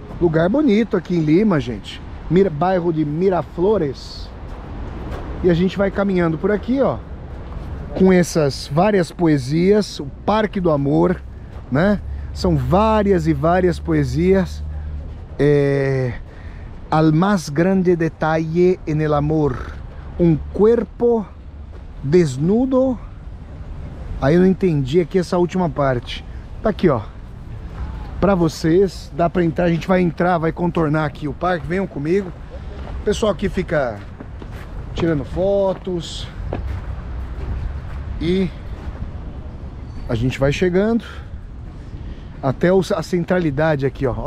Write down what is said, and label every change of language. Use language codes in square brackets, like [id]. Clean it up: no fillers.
[pt] Lugar bonito aqui em Lima, gente. Bairro de Miraflores. E a gente vai caminhando por aqui, ó, com essas várias poesias, o Parque do Amor, né? São várias e várias poesias. [es] Al más grande detalle en el amor, un cuerpo desnudo. [pt] Aí eu não entendi aqui essa última parte. Tá aqui, ó, pra vocês, dá pra entrar, a gente vai entrar, vai contornar aqui o parque, venham comigo. O pessoal aqui fica tirando fotos e a gente vai chegando até a centralidade aqui, ó.